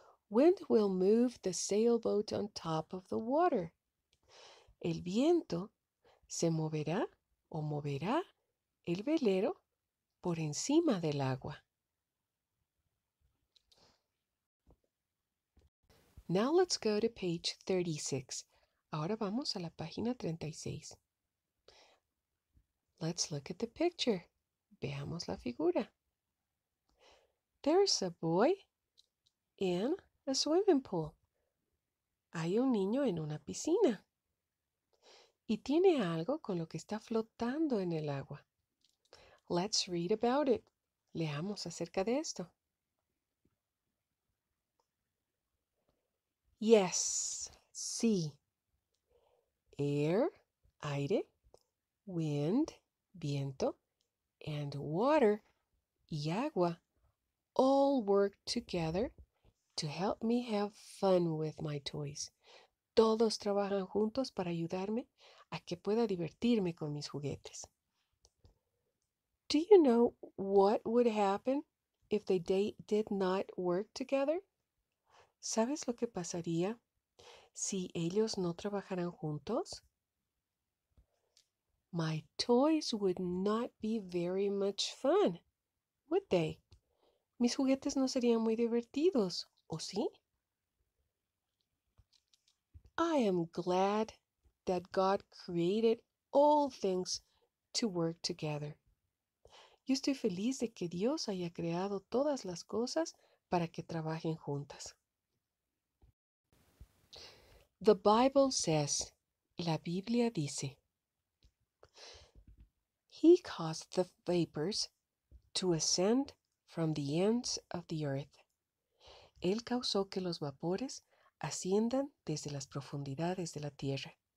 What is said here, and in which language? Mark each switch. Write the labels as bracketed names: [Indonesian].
[English] Wind will move the sailboat on top of the water. [Spanish] El viento se moverá o moverá el velero por encima del agua. [English] Now let's go to page 36. [Spanish] Ahora vamos a la página 36. [English] Let's look at the picture. [Spanish] Veamos la figura. [English] There's a boy in a swimming pool. [Spanish] Hay un niño en una piscina. Y tiene algo con lo que está flotando en el agua. [English] Let's read about it. [Spanish] Leamos acerca de esto. [English] Yes, [Spanish] sí. [English] Air, [Spanish] aire, [English] wind, [Spanish] viento, [English] and water, [Spanish] y agua, [English] all work together to help me have fun with my toys. [Spanish] Todos trabajan juntos para ayudarme a que pueda divertirme con mis juguetes. [English] Do you know what would happen if they did not work together? [Spanish] ¿Sabes lo que pasaría si ellos no trabajaran juntos? [English] My toys would not be very much fun, would they? [Spanish] Mis juguetes no serían muy divertidos, ¿o sí? [English] I am glad that God created all things to work together. [Spanish] Yo estoy feliz de que Dios haya creado todas las cosas para que trabajen juntas. [English] The Bible says, [Spanish] la Biblia dice, [English] He caused the vapors to ascend from the ends of the earth. [Spanish] Él causó que los vapores asciendan desde las profundidades de la tierra.